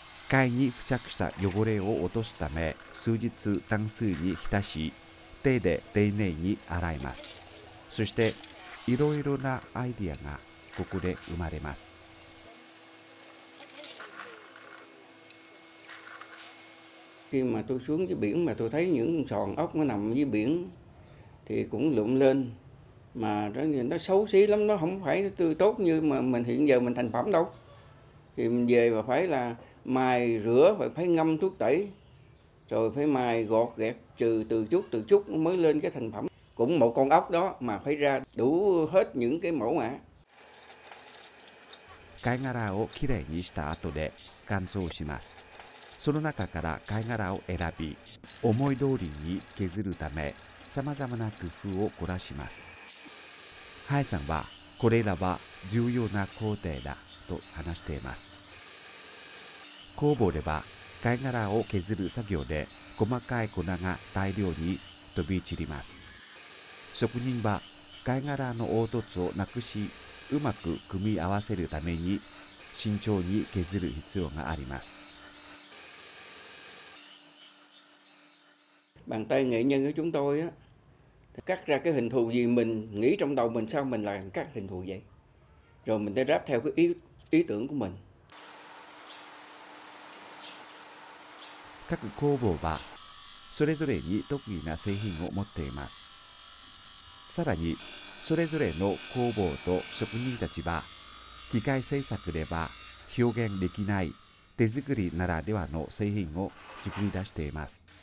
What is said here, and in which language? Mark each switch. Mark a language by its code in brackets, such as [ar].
[ja] 貝に付着した汚れを落とすため数日淡水に浸し手で丁寧に洗います。そしていろいろなアイディアがここで生まれます。 [vi] khi mà tôi xuống dưới biển mà tôi thấy những sòn ốc nó nằm dưới biển thì cũng lụm lên mà nó nhìn nó xấu xí lắm, nó không phải tươi tốt như mà mình hiện giờ mình thành phẩm đâu, thì mình về và phải là mài rửa phải ngâm thuốc tẩyRồi phải mài gọt gẹt trừ từ chút mới lên cái thành phẩm. Cũng một con ốc đó mà phải ra đủ hết những cái mẫu mã. [ja] Cái ngà ra をきれいにした後で乾燥します。その中から貝殻を選び、思い通りに削るため、様々な工夫を凝らします。ハエさんは、これらは重要な工程だと話しています。工房では、貝殻を削る作業で細かい粉が大量に飛び散ります。職人は貝殻の凹凸をなくしうまく組み合わせるために慎重に削る必要があります。 [vi] bàn tay nghệ nhân của chúng tôi á cắt ra cái hình thù gì mình nghĩ trong đầu mình sao mình làm các hình thù vậy rồi mình sẽ ráp theo cái ý tưởng của mình. [ja] 各工房はそれぞれに得意な製品を持っています。さらにそれぞれの工房と職人たちは機械製作では表現できない手作りならではの製品を作り出しています。